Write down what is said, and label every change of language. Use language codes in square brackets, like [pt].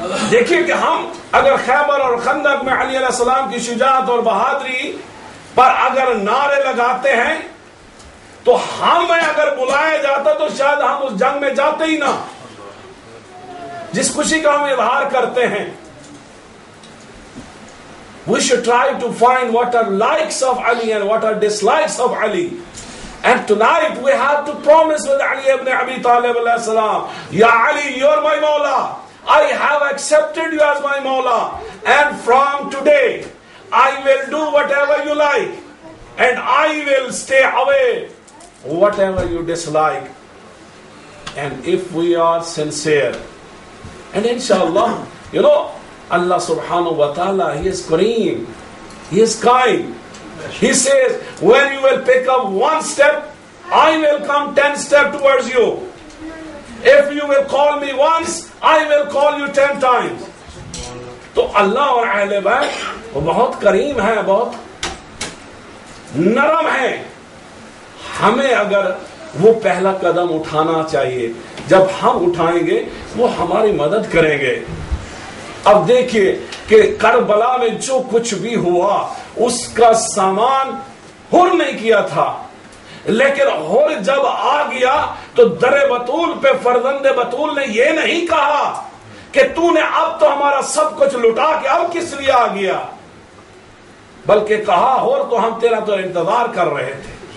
[ur] دیکھیں کہ ہم اگر خیبر اور خندق میں علی علیہ السلام کی شجاعت اور بہادری پر اگر نعرے لگاتے ہیں تو ہمیں اگر بلایا جاتا تو شاید ہم اس جنگ میں جاتے ہی نہ, جس خوشی کا ہم اظہار کرتے ہیں. [en] We should try to find what are likes of Ali and what are dislikes of Ali. And tonight we have to promise with Ali ibn Abi Talib alayhi salam, Ya Ali, you are my Mawla. I have accepted you as my Mawla. And from today, I will do whatever you like. And I will stay away whatever you dislike. And if we are sincere, and inshallah, you know, Allah subhanahu wa ta'ala, He is kareem, He is kind. He says, when you will pick up one step, I will come 10 steps towards you. If you will call me once, I will call you 10 times. [ur] تو اللہ اور اہل بیت بہت کریم ہے, بہت نرم ہے. ہمیں اگر وہ پہلا قدم اٹھانا چاہیے, جب ہم اٹھائیں گے وہ ہماری مدد کریں گے. اب دیکھیے کہ کربلا میں جو کچھ بھی ہوا اس کا سامان ہر نہیں کیا تھا, لیکن ہر جب آ گیا تو در بتول پہ فرزند بتول نے یہ نہیں کہا کہ تو نے اب تو ہمارا سب کچھ لٹا کے اب کس لیے آ گیا, بلکہ کہا ہر تو ہم تیرا تو انتظار کر رہے تھے.